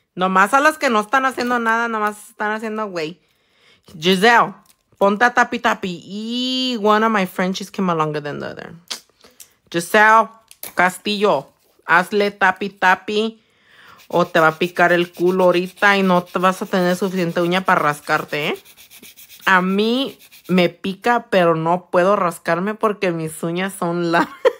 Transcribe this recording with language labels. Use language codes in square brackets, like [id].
[es] Nomás a los que no están haciendo nada, nomás están haciendo güey. Giselle, ponte a tapi tapi. [en] Y one of my Frenchies came longer than the other. [es] Giselle Castillo, hazle tapi tapi o te va a picar el culo ahorita y no te vas a tener suficiente uña para rascarte, ¿eh? A mí me pica, pero no puedo rascarme porque mis uñas son largas.